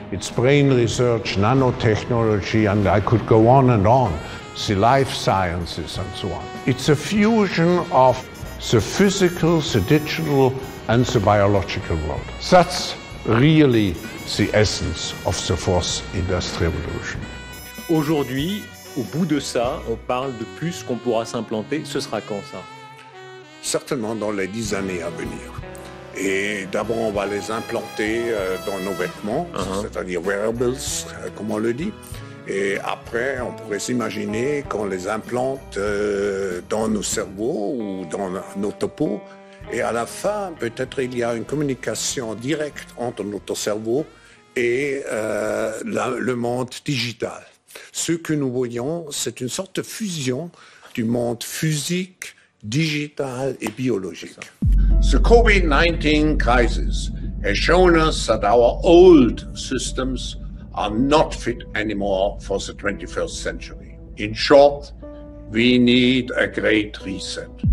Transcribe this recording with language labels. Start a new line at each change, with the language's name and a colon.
English: It's brain research, nanotechnology, and I could go on and on. The life sciences and so on. It's a fusion of the physical, the digital, and the biological world. That's really the essence of the fourth industrial revolution.
French: Aujourd'hui, au bout de ça, on parle de puces qu'on pourra s'implanter. Ce sera quand, ça? Certainement dans les 10 années à venir. Et d'abord, on va les implanter dans nos vêtements, c'est-à-dire wearables, comme on le dit. Et après, on pourrait s'imaginer qu'on les implante dans nos cerveaux ou dans notre peau. Et à la fin, peut-être il y a une communication directe entre notre cerveau et le monde digital. Ce que nous voyons, c'est une sorte de fusion du monde physique, digital et biologique.
English: The COVID-19 crisis has shown us that our old systems are not fit anymore for the 21st century. In short, we need a great reset.